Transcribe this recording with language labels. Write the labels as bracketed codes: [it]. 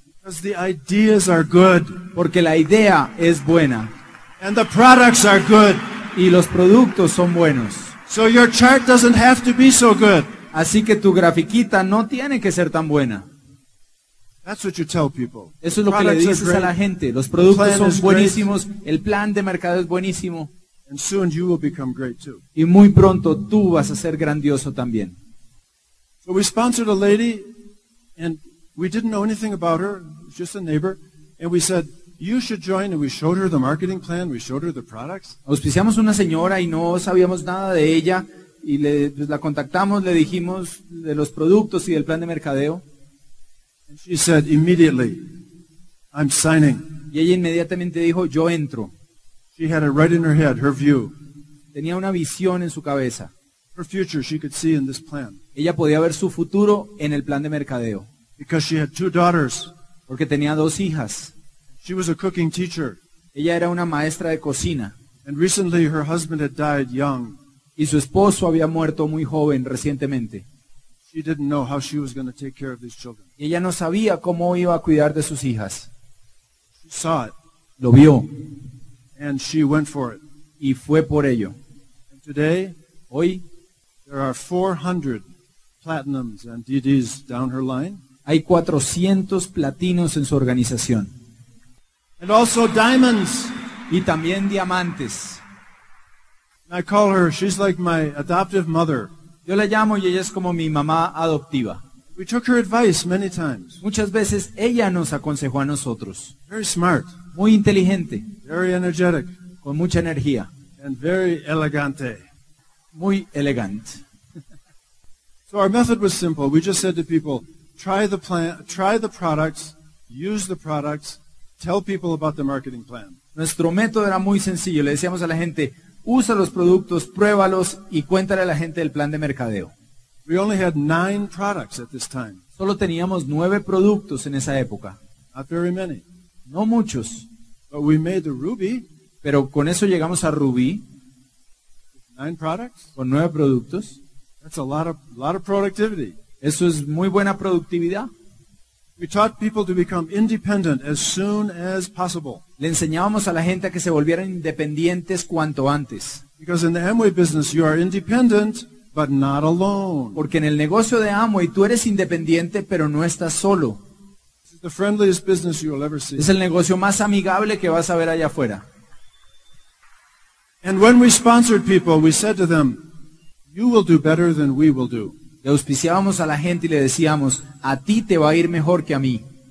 [en] Because the ideas are good. [es] Porque la idea es buena. [en] And the products are good. [es] Y los productos son buenos. [en] So your chart doesn't have to be so good. [es] Así que tu grafiquita no tiene que ser tan buena. [en] That's what you tell people. [es] Eso es lo que le dices a la gente. Los productos son buenísimos. El plan de mercado es buenísimo. [en] And soon you will become great too. [es] Y muy pronto tú vas a ser grandioso también. [en] So we sponsored a lady and we didn't know anything about her. It was just a neighbor. And we said, you should join, and we showed her the marketing plan, we showed her the products. [es] Auspiciamos una señora y no sabíamos nada de ella, y la contactamos, le dijimos de los productos y del plan de mercadeo. [en] And she said, immediately, I'm signing. [es] Y ella inmediatamente dijo, yo entro. [en] She had it right in her head, her view. [es] Tenía una visión en su cabeza. [en] Her future she could see in this plan. [es] Ella podía ver su futuro en el plan de mercadeo. [en] Because she had two daughters. [es] Porque tenía dos hijas. [en] She was a cooking teacher. [es] Ella era una maestra de cocina. [en] And recently her husband had died young. [es] Y su esposo había muerto muy joven recientemente. [en] She didn't know how she was going to take care of these children. [es] Y ella no sabía cómo iba a cuidar de sus hijas. [en] She saw it. [es] Lo vio. [en] And she went for it. [es] Y fue por ello. [en] And today, [es] hoy, [en] there are 400 platinums and DDs down her line. [es] Hay 400 platinos en su organización. [en] And also diamonds. [es] Y también diamantes. [en] I call her, she's like my adoptive mother. [es] Yo la llamo y ella es como mi mamá adoptiva. [en] We took her advice many times. [es] Muchas veces ella nos aconsejó a nosotros. [en] Very smart. [es] Muy inteligente. [en] Very energetic. [es] Con mucha energía. [en] And very elegante. [es] Muy elegante. [en] So our method was simple. We just said to people, try the products, use the products, tell people about the marketing plan. [es] Nuestro método era muy sencillo. Le decíamos a la gente, usa los productos, pruébalos y cuéntale a la gente el plan de mercadeo. [en] We only had 9 products at this time. [es] Solo teníamos 9 productos en esa época. [en] Not very many. [es] No muchos. [en] But we made the ruby. [es] Pero con eso llegamos a Ruby. [en] 9 products? [es] Con 9 productos. [en] That's a lot of productivity. [es] Eso es muy buena productividad. [en] We taught people to become independent as soon as possible. [es] Le enseñábamos a la gente a que se volvieran independientes cuanto antes. [en] Because in the Amway business you are independent but not alone. [es] Porque en el negocio de Amway tú eres independiente pero no estás solo. [en] It's the friendliest business you will ever see. [es] Es el negocio más amigable que vas a ver allá afuera. [en] And when we sponsored people, we said to them, you will do better than we will do. [es] Le auspiciábamos a la gente y le decíamos, a ti te va a ir mejor que a mí.